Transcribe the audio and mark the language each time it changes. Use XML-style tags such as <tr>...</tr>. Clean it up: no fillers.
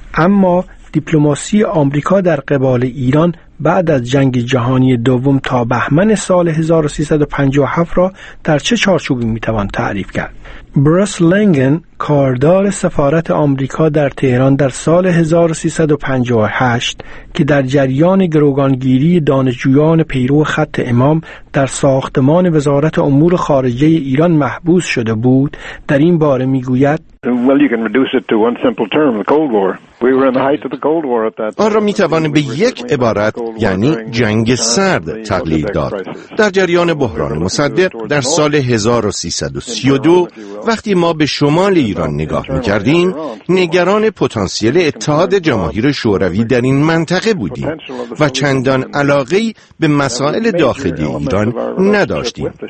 <fa>اما دیپلماسی آمریکا در قبال ایران بعد از جنگ جهانی دوم تا بهمن سال 1357 را در چه چارچوبی میتوان تعریف کرد؟ بروس لنگن، کاردار سفارت آمریکا در تهران در سال 1358 که در جریان گروگانگیری دانشجویان پیرو خط امام در ساختمان وزارت امور خارجه ایران محبوس شده بود، در این باره میگوید:</fa> <en>Well, you can reduce it to one simple term, the Cold War. We were in the height of the Cold War at that.</en> <fa>آن را میتوان به یک عبارت یعنی جنگ سرد تقلیل داد. در جریان بحران مصدق در سال 1332 وقتی ما به شمال ایران نگاه می‌کردیم، نگران پتانسیل اتحاد جماهیر شوروی در این منطقه بودیم و چندان علاقه‌ای به مسائل داخلی ایران نداشتیم.</fa>